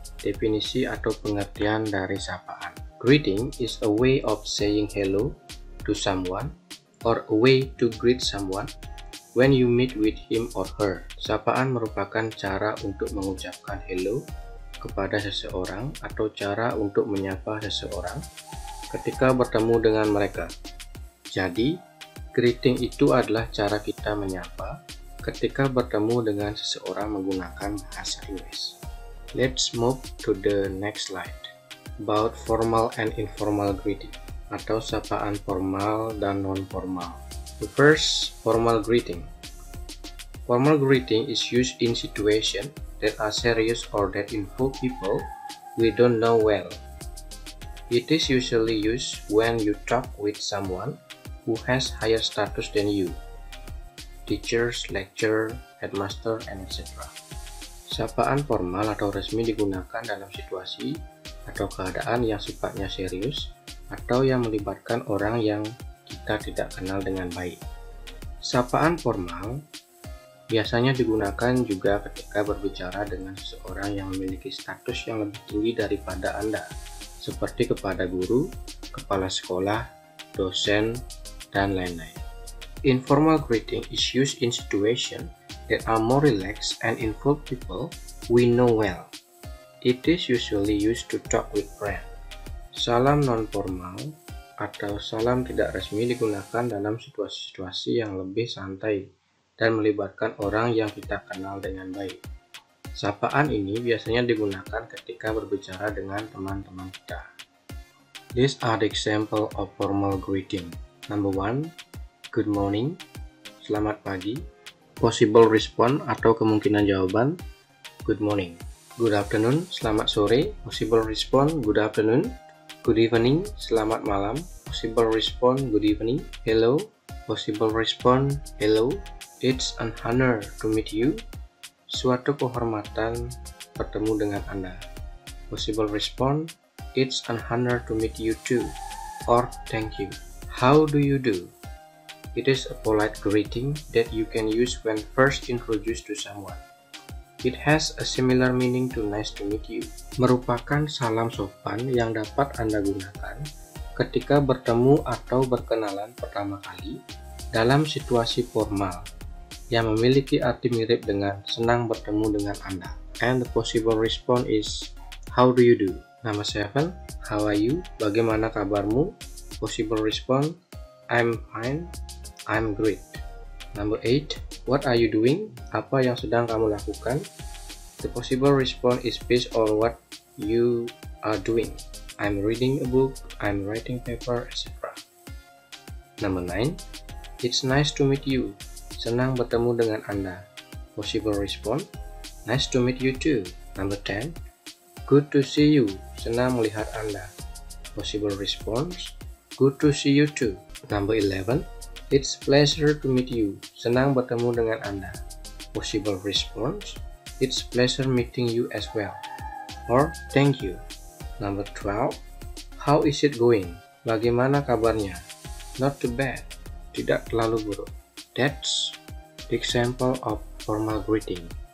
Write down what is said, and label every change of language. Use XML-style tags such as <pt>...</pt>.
<id>Definisi atau pengertian dari sapaan.</id> <en>Greeting is a way of saying hello to someone or a way to greet someone when you meet with him or her.</en> <id>Sapaan merupakan cara untuk mengucapkan hello kepada seseorang atau cara untuk menyapa seseorang ketika bertemu dengan mereka. Jadi, greeting itu adalah cara kita menyapa ketika bertemu dengan seseorang menggunakan bahasa Inggris.</id> <en>Let's move to the next slide about formal and informal greeting</en> <id>atau sapaan formal dan non-formal.</id> <en>The first, formal greeting. Formal greeting is used in situations that are serious or that involve people we don't know well. It is usually used when you talk with someone who has higher status than you, teachers, lecturer, headmaster, and etc.</en> <id>Sapaan formal atau resmi digunakan dalam situasi atau keadaan yang sifatnya serius atau yang melibatkan orang yang kita tidak kenal dengan baik. Sapaan formal biasanya digunakan juga ketika berbicara dengan seseorang yang memiliki status yang lebih tinggi daripada Anda, seperti kepada guru, kepala sekolah, dosen, dan lain-lain.</id> <en>Informal greeting is used in situation that are more relaxed and involve people we know well. It is usually used to talk with friends.</en> <id>Salam non-formal atau salam tidak resmi digunakan dalam situasi-situasi yang lebih santai dan melibatkan orang yang kita kenal dengan baik. Sapaan ini biasanya digunakan ketika berbicara dengan teman-teman kita.</id> <en>These are the example of formal greeting. Number 1, good morning,</en> <id>selamat pagi.</id> <en>Possible response</en> <id>atau kemungkinan jawaban,</id> <en>good morning. Good afternoon,</en> <id>selamat sore.</id> <en>Possible response, good afternoon. Good evening,</en> <id>selamat malam.</id> <en>Possible response, good evening. Hello, possible response, hello. It's an honor to meet you.</en> <id>Suatu kehormatan bertemu dengan Anda.</id> <en>Possible response, it's an honor to meet you too. Or thank you. How do you do? It is a polite greeting that you can use when first introduced to someone. It has a similar meaning to nice to meet you.</en> <id>Merupakan salam sopan yang dapat Anda gunakan ketika bertemu atau berkenalan pertama kali dalam situasi formal yang memiliki arti mirip dengan senang bertemu dengan Anda.</id> <en>And the possible response is, how do you do? Number 7, how are you?</en> <id>Bagaimana kabarmu?</id> <en>Possible response, I'm fine, I'm great. Number 8, what are you doing?</en> <id>Apa yang sedang kamu lakukan?</id> <en>The possible response is based on what you are doing. I'm reading a book, I'm writing paper, etc. Number 9, it's nice to meet you.</en> <id>Senang bertemu dengan Anda.</id> <en>Possible response, nice to meet you too. Number 10, good to see you.</en> <id>Senang melihat Anda.</id> <en>Possible response, good to see you too. Number 11, it's pleasure to meet you.</en> <id>Senang bertemu dengan Anda.</id> <en>Possible response, it's pleasure meeting you as well. Or thank you. Number 12, how is it going?</en> <id>Bagaimana kabarnya?</id> <en>Not too bad.</en> <id>Tidak terlalu buruk.</id> <en>That's the example of formal greeting.</en>